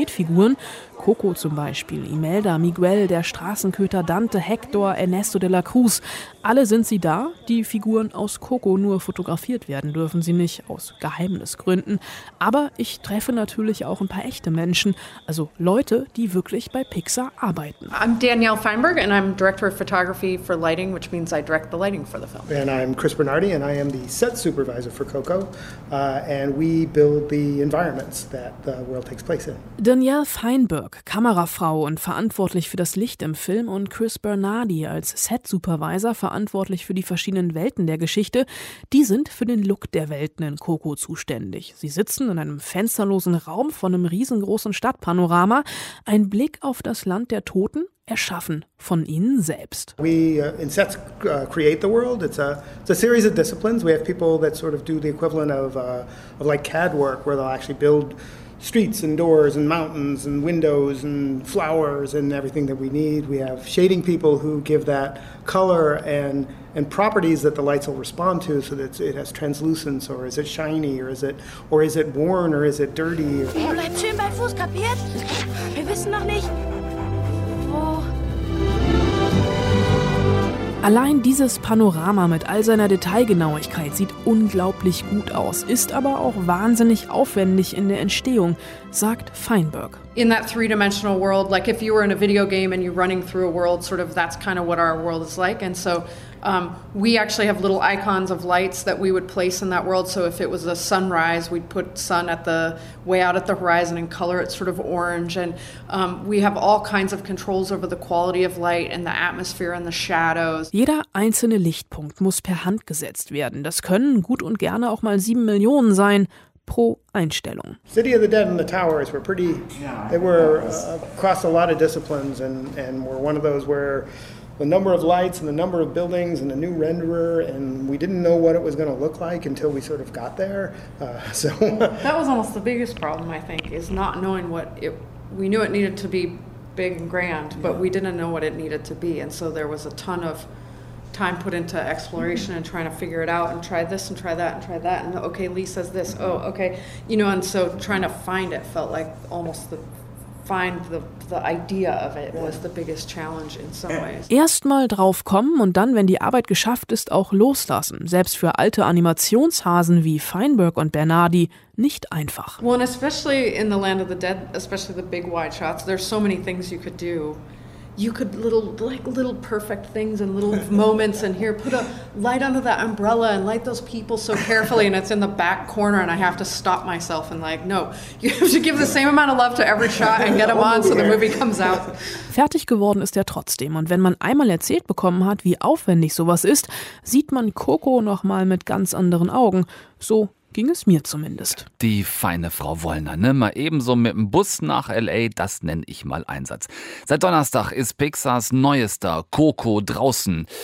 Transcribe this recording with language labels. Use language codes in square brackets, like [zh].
[de] Magnetfiguren, Coco zum Beispiel, Imelda, Miguel, der Straßenköter Dante, Hector, Ernesto de la Cruz, alle sind sie da, die Figuren aus Coco, nur fotografiert werden dürfen sie nicht, aus Geheimnisgründen. Aber ich treffe natürlich auch ein paar echte Menschen, also Leute, die wirklich bei Pixar arbeiten. [en] I'm Danielle Feinberg and I'm Director of Photography for Lighting, which means I direct the lighting for the film. And I'm Chris Bernardi and I am the set supervisor for Coco and we build the environments that the world takes place in. [de] Danielle Feinberg, Kamerafrau und verantwortlich für das Licht im Film und Chris Bernardi als Set-Supervisor verantwortlich für die verschiedenen Welten der Geschichte, die sind für den Look der Welten in Coco zuständig. Sie sitzen in einem fensterlosen Raum vor einem riesengroßen Stadtpanorama, ein Blick auf das Land der Toten, erschaffen von ihnen selbst. [en] We in sets create the world. It's a series of disciplines. We have people that sort of do the equivalent of like CAD work, where they'll actually build streets and doors and mountains and windows and flowers and everything that we need. We have shading people who give that color and properties that the lights will respond to, so that it has translucence, or is it shiny, or is it worn, or is it dirty. [de] Bleibt schön bei Fuß, kapiert? Wir wissen noch nicht. Allein dieses Panorama mit all seiner Detailgenauigkeit sieht unglaublich gut aus, ist aber auch wahnsinnig aufwendig in der Entstehung, sagt Feinberg. [en] In that three-dimensional world, like if you were in a video game and you're running through a world, sort of that's kind of what our world is like. And so we actually have little icons of lights that we would place in that world. So if it was a sunrise, we'd put sun at the way out at the horizon and color it sort of orange. And we have all kinds of controls over the quality of light and the atmosphere and the shadows. [de] Jeder einzelne Lichtpunkt muss per Hand gesetzt werden. Das können gut und gerne auch mal 7 Millionen sein. Pro Einstellung. [en] City of the Dead and the Towers were pretty, they were across a lot of disciplines and were one of those where the number of lights and the number of buildings and a new renderer, and we didn't know what it was going to look like until we sort of got there. That was almost the biggest problem, I think, is not knowing what it, we knew it needed to be big and grand, but we didn't know what it needed to be, and so there was a ton of time put into exploration and trying to figure it out and try this and try that and try that and okay, Lee says this, oh okay, you know, and so trying to find it felt like almost the find the idea of it was the biggest challenge in some ways. [de] Erstmal drauf kommen und dann, wenn die Arbeit geschafft ist, auch loslassen, selbst für alte Animationshasen wie Feinberg und Bernardi, nicht einfach. [en] Well, and especially in the Land of the Dead, especially the big wide shots, there's so many things you could do. You could little perfect things and little moments and here, put a light under that umbrella and light those people so carefully and it's in the back corner and I have to stop myself and like, no, you have to give the same amount of love to every shot and get them on so the movie comes out. [de] Fertig geworden ist er trotzdem und wenn man einmal erzählt bekommen hat, wie aufwendig sowas ist, sieht man Coco nochmal mit ganz anderen Augen. So ging es mir zumindest. Die feine Frau Wollner, ne? Mal ebenso mit dem Bus nach L.A., das nenne ich mal Einsatz. Seit Donnerstag ist Pixars neuester Coco draußen.